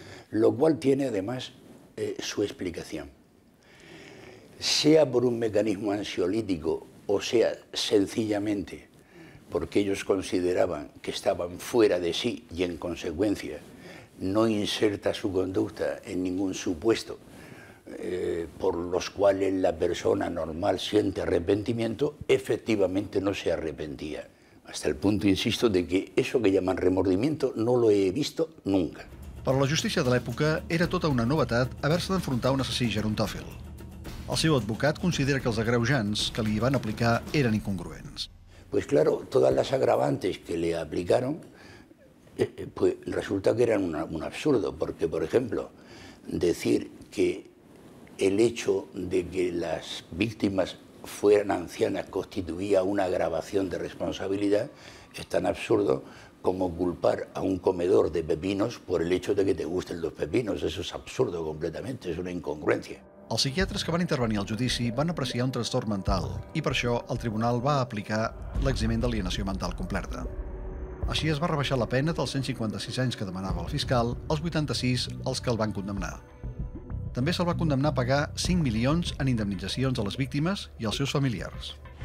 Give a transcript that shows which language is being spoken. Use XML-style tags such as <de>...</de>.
<es>Lo cual tiene además su explicación. Sea por un mecanismo ansiolítico o sea sencillamente porque ellos consideraban que estaban fuera de sí y en consecuencia no inserta su conducta en ningún supuesto por los cuales la persona normal siente arrepentimiento, efectivamente no se arrepentía. Hasta el punto, insisto, de que eso que llaman remordimiento no lo he visto nunca.</es> <ca>Per a la justícia de l'època era tota una novetat haver-se d'enfrontar un assassí gerontòfil. El seu advocat considera que els agreujants que li van aplicar eren incongruents.</ca> <es>Pues claro, todas las agravantes que le aplicaron pues resulta que eran un absurdo, porque, por ejemplo, decir que el hecho de que las víctimas fueran ancianas constituía una agravación de responsabilidad es tan absurdo como culpar a un comedor de pepinos por el hecho de que te gusten los pepinos. Eso es absurdo completamente, es una incongruencia.</es> <ca>Els psiquiatres que van intervenir al judici van apreciar un trastorn mental i per això el tribunal va aplicar l'eximent d'alienació mental complerta. Així es va rebaixar la pena dels 156 anys que demanava el fiscal als 86 els que el van condemnar. També se'l va condemnar a pagar 5 milions en indemnitzacions a les víctimes i als seus familiars.</ca>